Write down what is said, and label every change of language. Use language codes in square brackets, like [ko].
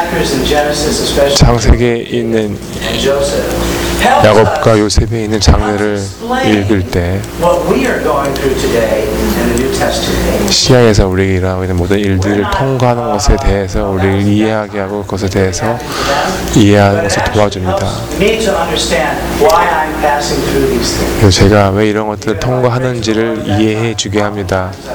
[en] And I feel that going through these chapters in Genesis, especially Joseph, helps us explain what we are going through today in the New Testament. [ko] 이해하게 하고 그것에 대해서 이해하는 것을 도와줍니다. [en] Me to understand why I'm passing through these things. [ko] 제가 왜 이런 것들을 통과하는지를 이해해 주게 합니다.